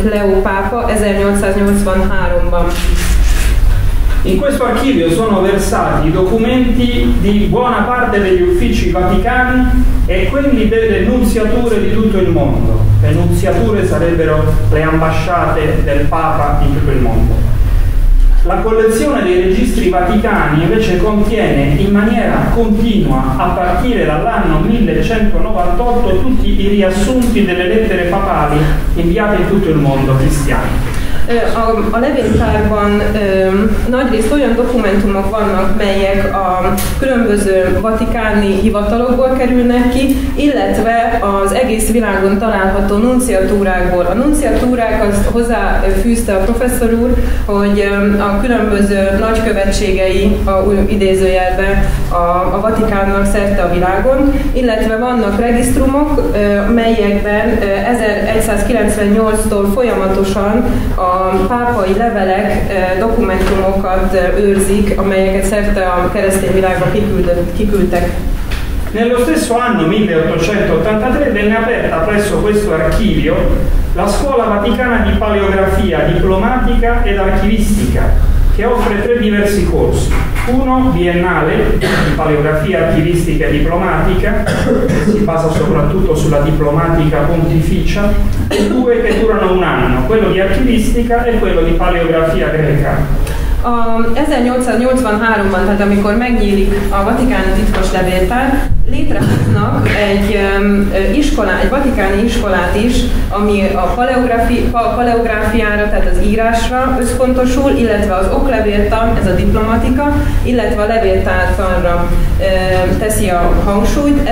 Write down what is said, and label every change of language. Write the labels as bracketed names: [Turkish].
[Hungarian] Leó pápa 1883-ban. [Italian] In questo archivio sono versati i documenti di buona parte degli uffici vaticani e quelli delle nunziature di tutto il mondo. Le nunziature sarebbero le ambasciate del Papa in tutto il mondo. La collezione dei registri vaticani invece contiene in maniera continua, a partire dall'anno 1198, tutti i riassunti delle lettere papali inviate in tutto il mondo cristiano. [Hungarian] A levéltárban nagyrészt olyan dokumentumok vannak, melyek a különböző vatikáni hivatalokból kerülnek ki, illetve az egész világon található nunciatúrákból. A nunciatúrák azt hozzáfűzte a professzor úr, hogy a különböző nagykövetségei a idézőjelben a Vatikánnak szerte a világon, illetve vannak regisztrumok, melyekben 1198-tól folyamatosan a pápai levelek dokumentumokat őrzik, amelyeket szerte a keresztény világba kiküldtek. [Italian] Nello stesso anno 1883 venne aperta presso questo archivio la scuola vaticana di paleografia, diplomatica ed archivistica, che offre tre diversi corsi. Uno biennale di paleografia archivistica e diplomatica, che si basa soprattutto sulla diplomatica pontificia, e due che durano un anno, quello di archivistica e quello di paleografia greca. [Hungarian] A 1883-ban, tehát amikor megnyílik a vatikáni titkos levéltár, létrehoznak egy iskolát, egy vatikáni iskolát is, ami a paleográfiára, tehát az írásra összpontosul, illetve az oklevéltan, ez a diplomatika, illetve a levéltártanra teszi a hangsúlyt.